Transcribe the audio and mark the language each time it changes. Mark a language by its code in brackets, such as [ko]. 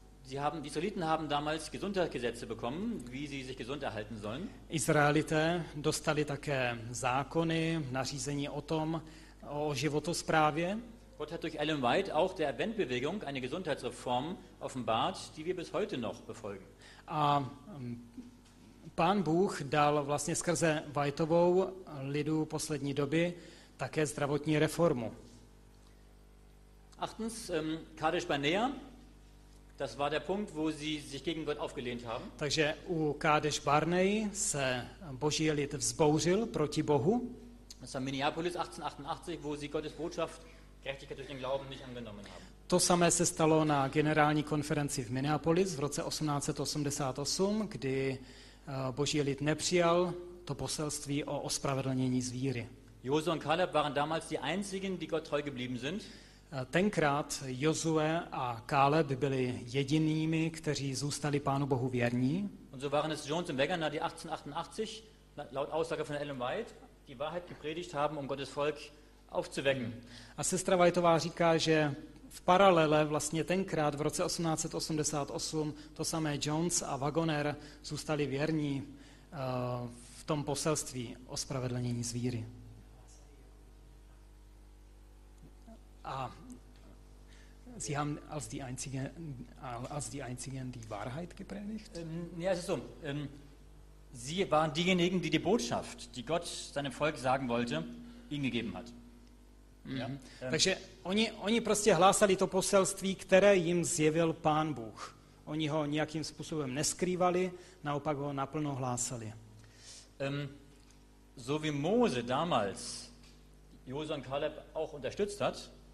[de] Die Israeliten haben damals Gesundheitsgesetze bekommen, wie sie sich gesund erhalten sollen. [cs] Izraelité dostali také zákony, nařízení o tom, o životosprávě. [de] Gott hat durch Ellen White auch der Adventbewegung eine Gesundheitsreform offenbart, die wir bis heute noch befolgen. [cs] A Pán Bůh dal vlastně skrze Whiteovou lidu poslední doby také zdravotní reformu. [de] Achtens, Kadesh Barnea. Das war der Punkt, wo sie sich gegen Gott aufgelehnt haben. [cs] Takže u Kadesh Barnei se Boží lid vzbouřil proti Bohu. [de] Das war Minneapolis 1888, wo sie Gottes Botschaft Gerechtigkeit durch den Glauben nicht angenommen haben. [cs] To samé se stalo na generální konferenci v Minneapolis v roce 1888, kdy Boží lid nepřijal to poselství o ospravedlnění z víry. [de] Josu und Kaleb waren damals die einzigen, die Gott treu geblieben sind. [cs] Tenkrát Josue a Káleb byli jedinými, kteří zůstali Pánu Bohu věrní. [de] Und so waren es Jones und Wegener, die 1888 laut Aussage von Ellen White die Wahrheit gepredigt haben, um Gottes Volk aufzuwecken. [cs] A sestra Whiteová říká, že v paralele vlastně tenkrát v roce 1888 to samé Jones a Wagoner zůstali věrní v tom poselství o spravedlnění z víry. [de] A Sie haben als die einzigen die Wahrheit gepredigt? Ja, es ist so. Sie waren diejenigen, die die Botschaft, die Gott seinem Volk sagen wollte, ihnen gegeben hat. Ja. [cs] Takže oni prostě hlásali to poselství, které jim zjevil Pán Bůh. Oni ho nějakým způsobem neskrývali, naopak ho naplno hlásali. [de] So wie Mose damals Josua und Kaleb auch unterstützt hat,